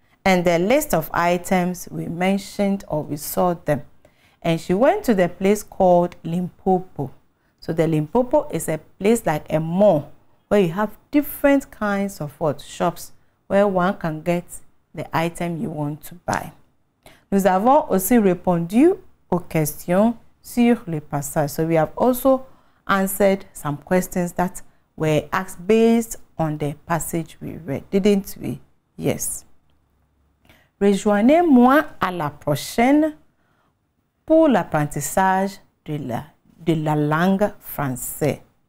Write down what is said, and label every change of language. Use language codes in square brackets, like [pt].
[en] And the list of items we mentioned or we saw them. And she went to the place called Limpopo. So the Limpopo is a place like a mall where you have different kinds of what shops where one can get the item you want to buy. [fr] Nous avons aussi répondu aux questions sur le passage. [en] So we have also answered some questions that were asked based on the passage we read, didn't we? Yes. [fr] Rejoignez-moi à la prochaine pour l'apprentissage de la langue française.